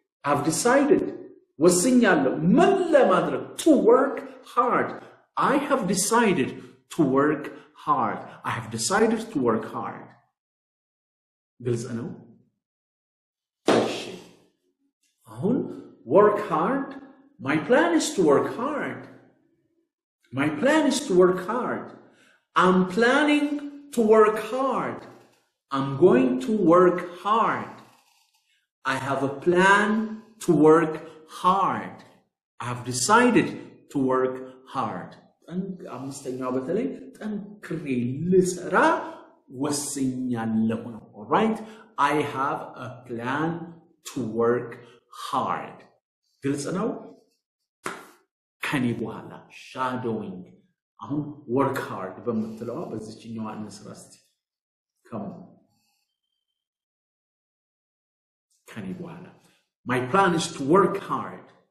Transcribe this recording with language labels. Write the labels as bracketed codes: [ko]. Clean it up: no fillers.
[en] have decided [am] ወስኛለሁ ምን ለማድረግ [en] to work hard i have decided to work hard i have decided to work hard [am] ግልጽ ነው እሺ አሁን [en] work hard my plan is to work hard My plan is to work hard. I'm planning to work hard. I'm going to work hard. I have a plan to work hard. I've decided to work hard. [am] አምስተኛው በተለይ ጠንክሬ ልሰራ ወስኛለሁ ነው። [en] All right? I have a plan to work hard. [am] ግልጽ ነው? ከኔ በኋላ shadowing አሁን [en] work hard [am] በምትለዋ በዚችኛው አንስራ እስቲ [en] come on. [am] ከኔ በኋላ [en] my plan is to work hard.